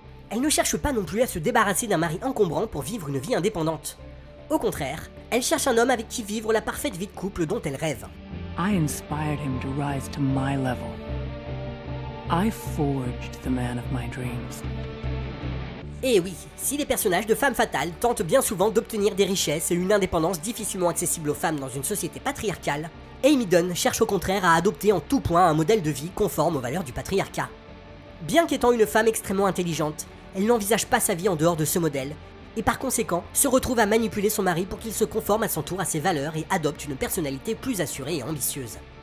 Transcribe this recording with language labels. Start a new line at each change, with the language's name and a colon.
French: Elle ne cherche pas non plus à se débarrasser d'un mari encombrant pour vivre une vie indépendante. Au contraire, elle cherche un homme avec qui vivre la parfaite vie de couple dont elle rêve.
English: I inspired him to rise to my level. I forged the man of my dreams.
French: Et oui, si les personnages de femmes fatales tentent bien souvent d'obtenir des richesses et une indépendance difficilement accessible aux femmes dans une société patriarcale, Amy Dunn cherche au contraire à adopter en tout point un modèle de vie conforme aux valeurs du patriarcat. Bien qu'étant une femme extrêmement intelligente, elle n'envisage pas sa vie en dehors de ce modèle, et par conséquent, se retrouve à manipuler son mari pour qu'il se conforme à son tour à ses valeurs et adopte une personnalité plus assurée et ambitieuse.